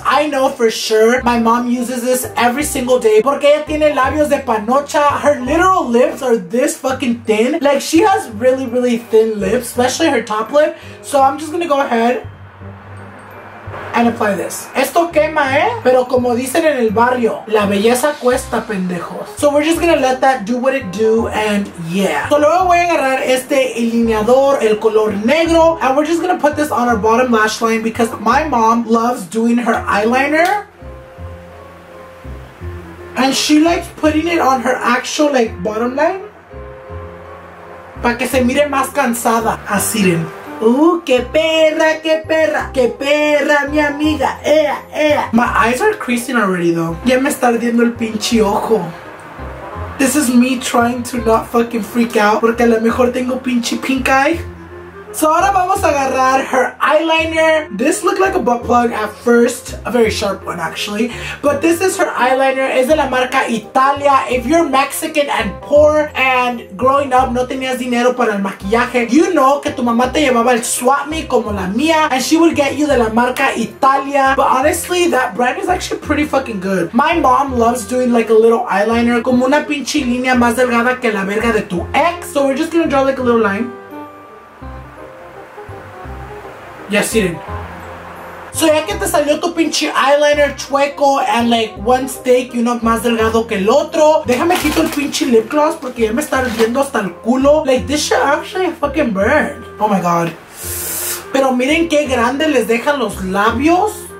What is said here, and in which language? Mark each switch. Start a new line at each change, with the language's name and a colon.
English: I know for sure my mom uses this every single day.
Spanish: Porque ella tiene labios de panocha.
English: Her literal lips are this fucking thin. Like, she has really, really thin lips, especially her top lip. So I'm just gonna go ahead and apply this.
Spanish: Esto quema, eh? Pero como dicen en el barrio, la belleza cuesta, pendejos.
English: So we're just gonna let that do what it do, and yeah. So
Spanish: luego voy a agarrar este delineador, el color negro,
English: and we're just gonna put this on our bottom lash line because my mom loves doing her eyeliner. And she likes putting it on her actual, like, bottom line.
Spanish: Para que se mire más cansada. Así den. Que perra, que perra, que perra, mi amiga, ea, ea.
English: My eyes are creasing already, though.
Spanish: Ya me está ardiendo el pinche ojo.
English: This is me trying to not fucking freak out,
Spanish: porque a lo mejor tengo pinche
English: pink eye.
Spanish: So ahora vamos a agarrar
English: her eyeliner. This looked like a butt plug at first. A very sharp one, actually. But this is her eyeliner.
Spanish: Es de la marca Italia.
English: If you're Mexican and poor and growing up
Spanish: no tenías dinero para el maquillaje,
English: you know
Spanish: que tu mamá te llevaba
English: el swap me
Spanish: como la mía,
English: and she would get you
Spanish: de la marca Italia.
English: But honestly, that brand is actually pretty fucking good. My mom loves doing like a little eyeliner,
Spanish: como una pinche línea más delgada que la verga de tu ex.
English: So we're just gonna draw like a little line. Yes, you did.
Spanish: So ya que te salió tu pinche eyeliner chueco
English: and like one steak
Spanish: y uno más delgado que el otro, déjame quito el pinche lip gloss porque ya me está ardiendo hasta el culo.
English: Like, this shit actually fucking burned. Oh my god.
Spanish: Pero miren qué grande les dejan los labios.